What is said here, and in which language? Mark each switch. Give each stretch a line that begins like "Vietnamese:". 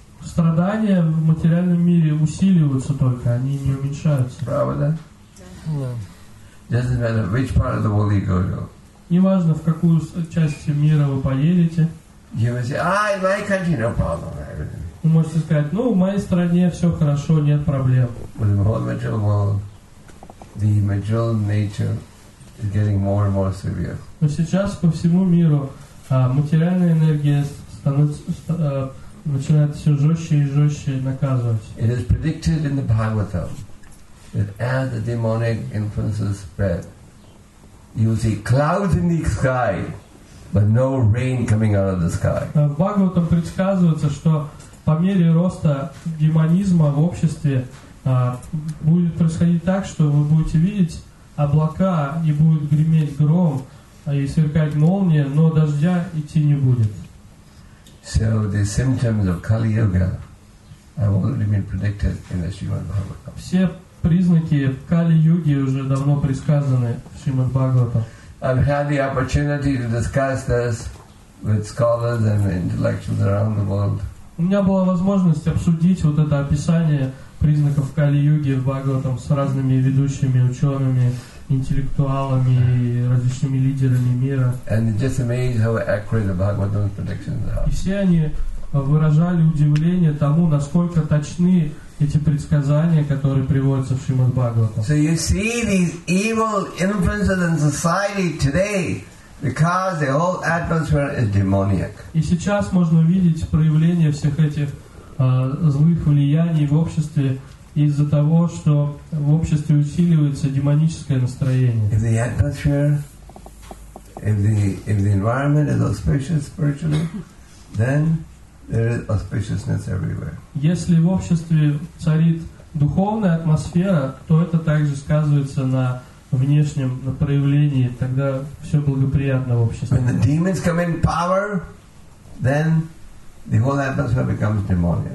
Russian: Страдания в материальном мире усиливаются только, они не уменьшаются. Правда?
English: Doesn't matter which part of the world you go to.
Russian: Неважно, в какую часть мира вы поедете.
English: You may say, in my country, no problem.
Russian: Вы можете сказать, в моей стране все хорошо, нет проблем.
English: But in the whole material world, the material nature is getting more and more severe.
Russian: Но сейчас по всему миру материальная энергия становится начинает все жестче и жестче наказывать.
English: It is predicted in the Bhagavatam that as the demonic influences spread, you see clouds in the sky, but no rain coming out of the sky.
Russian: В Бхагаватам предсказывается, что по мере роста демонизма в обществе будет происходить так, что вы будете видеть облака и будет греметь гром, и сверкать молния, но дождя идти не будет.
English: So the symptoms of Kali Yuga have already been predicted in the Srimad Bhagavatam.
Russian: Все признаки Кали Юги уже давно предсказаны в Шримад Бхагаватам.
English: I've had the opportunity to discuss this with scholars and intellectuals around the world.
Russian: У меня была возможность обсудить вот это описание признаков Кали Юги в Бхагаватам с разными ведущими учеными, интеллектуалами и различными лидерами мира.
English: And just amazed how accurate the Bhagavatam's predictions are.
Russian: И все они выражали удивление тому, насколько точны эти предсказания, которые приводятся в Шримад Бхагаватам.
English: So you see these evil influences in society today because the whole atmosphere is demoniac.
Russian: И сейчас можно видеть проявление всех этих злых влияний в обществе из-за того, что в обществе усиливается демоническое настроение.
English: If the atmosphere, if the environment is auspicious spiritually, then there is auspiciousness everywhere.
Russian: Если в обществе царит духовная атмосфера, то это также сказывается на внешнем, на проявлении, тогда все благоприятно в обществе.
English: When the demons come in power, then the whole atmosphere becomes demonic.